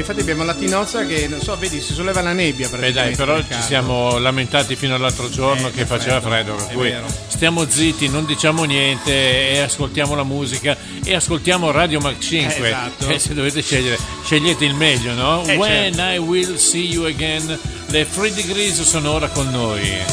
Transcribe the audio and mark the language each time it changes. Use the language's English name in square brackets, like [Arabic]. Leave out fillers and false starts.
[Italian] Infatti abbiamo la tinozza che, non so, vedi, si solleva la nebbia. Beh dai, però ci siamo lamentati fino all'altro giorno che faceva freddo. Per cui stiamo zitti, non diciamo niente e ascoltiamo la musica e ascoltiamo Radio Mach 5. Esatto. Se dovete scegliere, scegliete il meglio, no? [English] When I will see you again. [Italian] Le 3 degrees sono ora con noi.